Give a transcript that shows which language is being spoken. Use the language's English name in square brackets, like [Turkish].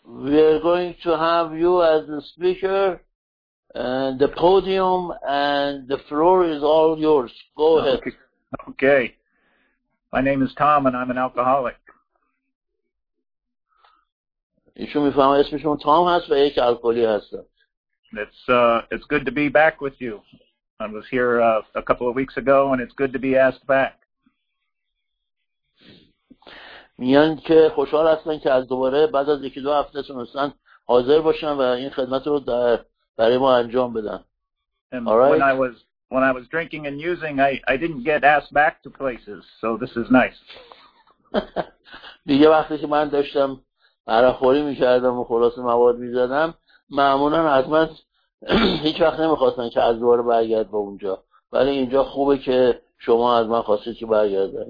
[English] We are going to have you as the speaker, and the podium and the floor is all yours. Go ahead. Okay. My name is Tom and I'm an alcoholic. [Persian] ایشون میفهمه اسمشون تام هست و یک الکلی هستم. [English] It's good to be back with you. I was here a couple of weeks ago and it's good to be asked back. [Persian] میان که خوشحال هستن که از دوباره بعد از یکی دو هفته تونستن حاضر باشن و این خدمت رو برای ما انجام بدن. [English] When I was drinking and using, I didn't get asked back to places, so this is nice. [Persian] دیگه وقتی که من داشتم عرق‌خوری می‌کردم و خلاصه مواد می‌زدم، معمولاً حتما هیچ وقت نمی‌خواستن که از دوباره برگرد با اونجا. ولی اینجا خوبه که شما از من خواستید که برگردم.